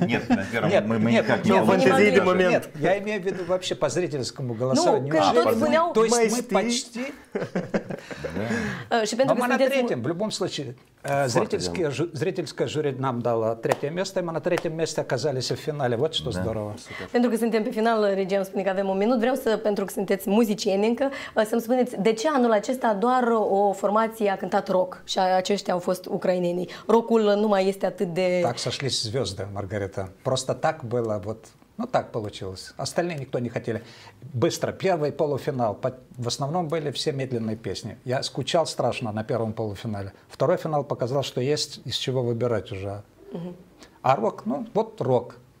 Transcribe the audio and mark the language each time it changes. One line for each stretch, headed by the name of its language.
Russian: Нет, на первом нет, мы нет, никак нет, не фантазийный момент. Нет, я имею в виду вообще по зрительскому голосованию. Ну, кто-то вынял. То есть мы почти... Но мы на третьем, в любом случае. Зрительское жюри нам дало третье место, и мы на третьем месте оказались в финале. Вот что здорово.
Romanian: Pentru că suntem pe final, Regem, spune că avem un minut. Vreau să, pentru că sunteți muzicieni încă, să-mi spuneți de ce anul acesta doar o formație a cântat rock și aceștia au fost ucrainenii. Rockul nu mai este atât de...
Russian: Так сошлись звезды, Маргарита. Просто так было, вот, ну так получилось. Остальные никто не хотели. Быстро, первый полуфинал. В основном были все медленные песни. Я скучал страшно на первом полуфинале. Второй финал показал, что есть из чего выбирать уже. А рок, ну вот рок.